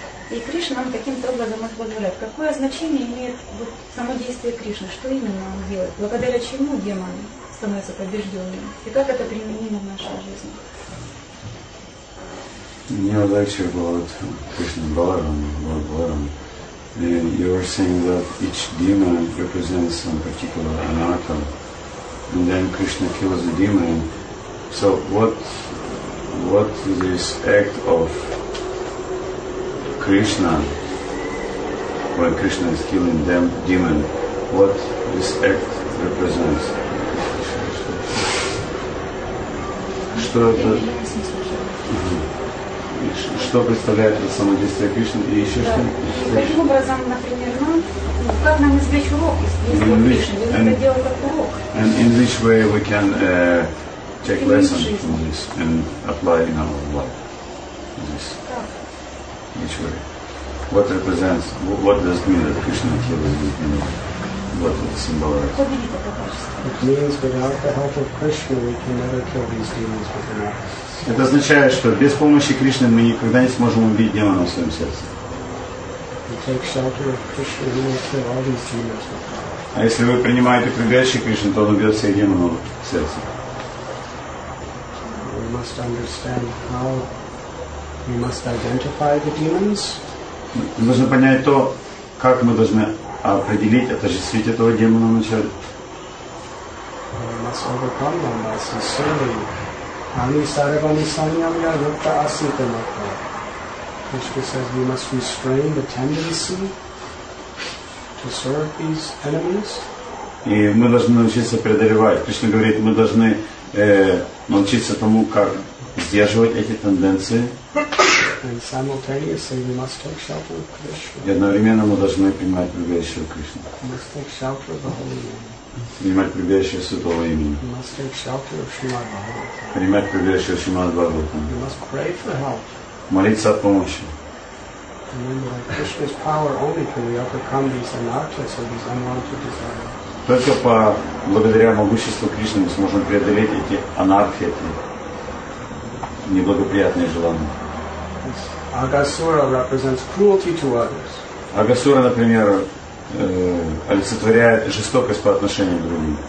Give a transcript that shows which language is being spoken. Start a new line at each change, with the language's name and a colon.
Russian: И Кришна нам каким-то образом их благодарит. Какое значение имеет вот само действие Кришны? Что именно он делает? Благодаря чему демон становится побежденным? И как это применимо в нашей жизни? Неудача была Кришна Баларам.
English: You are saying that each demon represents some particular anatta. And then Krishna kills the demon. So what is this act of Krishna, when Krishna is killing them, demon, what this act represents?
Russian: Что это? Что представляет это самодействие Кришны и еще что? Каким образом, например, как нам извлечь урок из действия Кришны? Это делать как урок.
English: And in which way we can take lesson from this and apply in our life? This. Which way? What represents, what does it mean that Krishna kills you, you know, what does it symbolize? It means without the help of Krishna we can never kill these demons within us.
Russian: Это означает, что без помощи Кришны мы никогда не сможем убить демона в своем сердце.
English: We take shelter of Krishna, we will kill all these demons.
Russian: А если вы принимаете прибежище Кришны, то он убьет все демоны в сердце.
English: We must understand how we must identify the demons.
Russian: Мы должны понять то, как мы должны определить, отождествить этого демона вначале.
English: We must overcome them by sincerely
Sanskrit: Ani Sarabani Sanyamya Rupta Asita Mata.
English: Krishna says we must restrain the tendency to serve these enemies.
Russian: И мы должны научиться преодолевать. Кришна говорит, мы должны научиться тому, как сдерживать эти тенденции.
English: And simultaneously we must take shelter of Krishna.
Russian: И одновременно мы должны принимать прибежище у Кришны.
English: We must take shelter of the Holy Name.
Russian: Принимать прибежище Святого Имени.
English: We must take shelter of Srimad Bhagavatam.
Russian: Принимать прибежище Srimad Bhagavatam.
English: We must pray for help.
Russian: Молиться о помощи.
English: Remember, by Krishna's power only can we overcome these anarchists or these unwanted desires.
Russian: Только по благодаря могуществу Кришны мы сможем преодолеть эти анархии, эти неблагоприятные желания.
English: Агасура represents cruelty to others.
Russian: Агасура, например, олицетворяет жестокость по отношению к другим.